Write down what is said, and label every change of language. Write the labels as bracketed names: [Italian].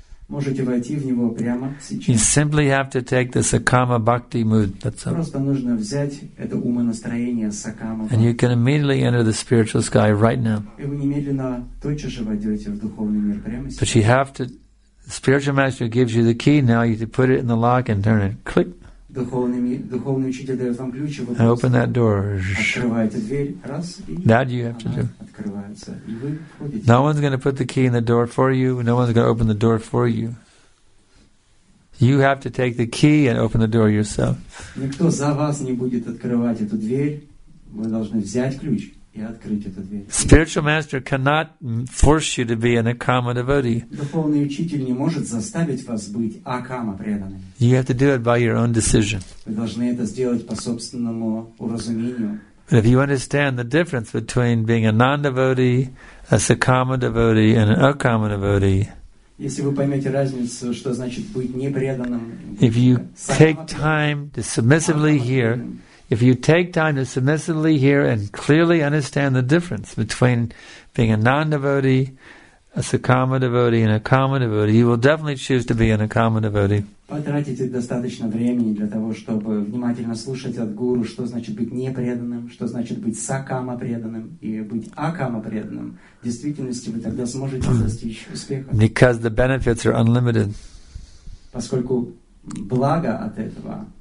[English] You simply have to take this akama bhakti mood. That's all. And you can immediately enter the spiritual sky right now. But you have to, the spiritual master gives you the key, now you have to put it in the lock and turn it. Click. [Russian] Духовный учитель дает вам ключ, и вы [English] open that door. [Russian] Открываете дверь, раз, и [English] that you have [Russian] она [English] to do. [Russian] Открывается, и вы входите. [English] No one's going to put the key in the door for you. No one's going to open the door for you. You have to take the key and open the door yourself. [Russian] Никто за вас не будет открывать эту дверь. Вы должны взять ключ. [English] Spiritual master cannot force you to be an akama devotee. [Russian] Духовный учитель не может заставить вас быть акама преданным. [English] You have to do it by your own decision. [Russian] Вы должны это сделать по собственному уразумению. [English] But if you understand the difference between being a non-devotee, a sakama devotee, and an akama devotee, [Russian] Если вы поймете разницу, что значит быть непреданным, [English] if you take time to submissively hear, if you take time to submissively hear and clearly understand the difference between being a non-devotee, a Sakama devotee, and a Kama devotee, you will definitely choose to be an Akama devotee. [Russian] Потратите достаточно времени для того, чтобы внимательно слушать от гуру, что значит быть непреданным, что значит быть сакама преданным и быть акама преданным. В действительности вы тогда сможете достичь успеха. [English] Because the benefits are unlimited. [Russian] Поскольку благо от этого.